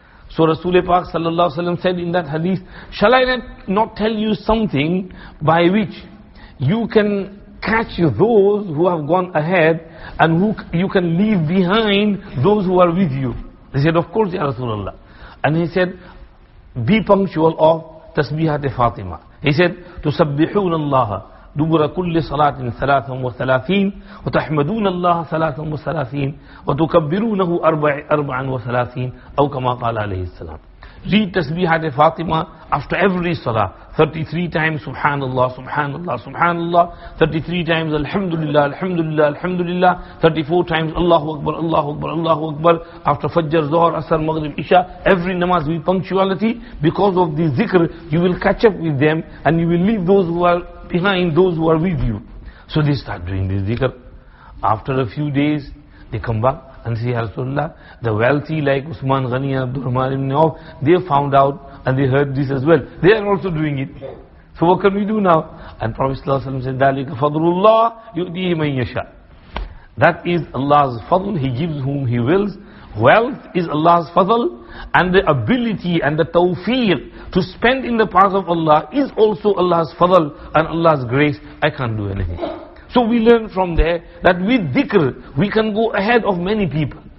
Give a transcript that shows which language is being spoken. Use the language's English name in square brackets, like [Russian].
[English] So Rasulullah Pak sallallahu alaihi wasallam said in that hadith, shall I not tell you something by which you can catch those who have gone ahead and who you can leave behind those who are with you? They said, of course, ya Rasulullah. And he said, be punctual of tasbihat Fatima. He said, [Arabic] تسبحون الله دبر كل صلاة ثلاثة وثلاثين وتحمدون الله ثلاثة وثلاثين وتكبرونه أربعة وثلاثين أو كما قال عليه السلام. [English] Read tasbihat Fatima after every salah. 33 times subhanallah, subhanallah, subhanallah. 33 times alhamdulillah, alhamdulillah, alhamdulillah. 34 times Allahu Akbar, Allahu Akbar, Allahu Akbar. After Fajr, Zuhr, Asr, Maghrib, Isha. Every namaz with punctuality. Because of the zikr, you will catch up with them and you will leave those who are behind, those who are with you. So they start doing this zikr. After a few days, they come back. And see, Rasulullah, the wealthy like Usman Ghani and Abdul Rahman ibn Auf, they found out and they heard this as well. They are also doing it. So what can we do now? And Prophet ﷺ said, [Arabic] ذَلِكَ فَضْلُ اللَّهِ يُؤْدِيهِ مَنْ يَشَاءُ. [English] That is Allah's fadl, He gives whom He wills. Wealth is Allah's fadl, and the ability and the tawfiq to spend in the path of Allah is also Allah's fadl and Allah's grace. I can't do anything. So we learn from there that with dhikr, we can go ahead of many people.